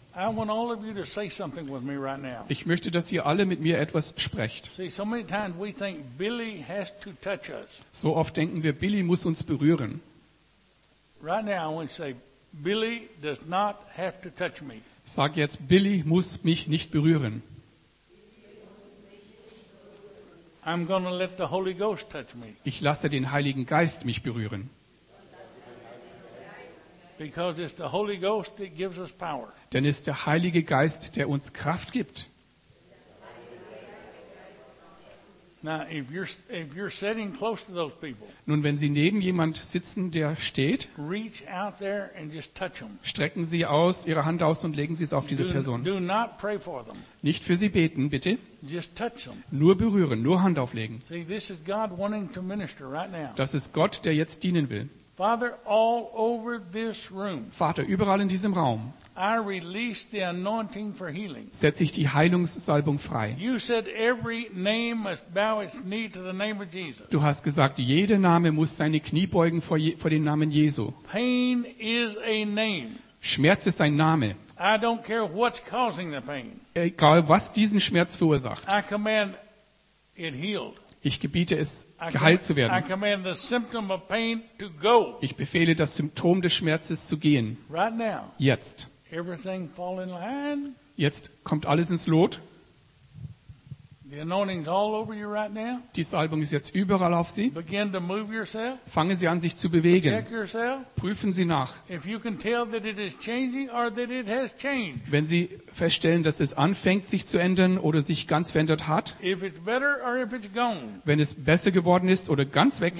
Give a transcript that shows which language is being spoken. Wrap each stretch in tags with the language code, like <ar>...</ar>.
<en>I want all of you to say something with me right now.</en> <de>Ich möchte, dass ihr alle mit mir etwas sprecht.</de> <en>See, so many times we think Billy has to touch us.</en> <de>So oft denken wir, Billy muss uns berühren.</de> <en>Right now, I want to say, Billy does not have to touch me.</en> <de>Sag jetzt, Billy muss mich nicht berühren.</de> <en>I'm going to let the Holy Ghost touch me.</en> <de>Ich lasse den Heiligen Geist mich berühren.</de> <en>Because it's the Holy Ghost that gives us power.</en> <de>Denn es ist der Heilige Geist, der uns Kraft gibt.</de> <en>Now, if you're sitting close to those people,</en> <de>nun, wenn Sie neben jemand sitzen, der steht,</de> <en>reach out there and just touch them.</en> <de>Strecken Sie aus Ihre Hand aus und legen Sie es auf diese Person.</de> <en>Do not pray for them.</en> <de>Nicht für sie beten, bitte.</de> <en>Just touch them.</en> <de>Nur berühren, nur Hand auflegen.</de> <en>See, this is God wanting to minister right now.</en> <de>Das ist Gott, der jetzt dienen will.</de> <en>Father, all over this room,</en> <de>Vater, überall in diesem Raum,</de> <en>I release the anointing for healing.</en> <de>Setze ich die Heilungssalbung frei.</de> <en>You said every name must bow its knee to the name of Jesus.</en> <de>Du hast gesagt, jeder Name muss seine Knie beugen vor dem Namen Jesu.</de> <en>Pain is a name.</en> <de>Schmerz ist ein Name.</de> <en>I don't care what's causing the pain.</en> <de>Egal, was diesen Schmerz verursacht.</de> <en>I command it healed.</en> <de>Ich gebiete es, geheilt zu werden.</de> <en>I command the symptom of pain to go.</en> <de>Ich befehle, das Symptom des Schmerzes zu gehen.</de> <en>Right now.</en> <de>Jetzt.</de> <en>Everything fall in line.</en> <de>Jetzt kommt alles ins Lot.</de> <en>The anointing's all over you right now.</en> <de>Die Salbung ist jetzt überall auf Sie.</de> <en>Begin to move yourself.</en> <de>Fangen Sie an, sich zu bewegen.</de> <en>Check yourself.</en> <de>Prüfen Sie nach.</de> <en>If you can tell that it is changing or that it has changed.</en> <de>Wenn Sie feststellen, dass es anfängt, sich zu ändern oder sich ganz verändert hat,</de> <en>if it's better or if it's gone.</en> <de>Wenn es besser geworden ist oder ganz weg ist,</de>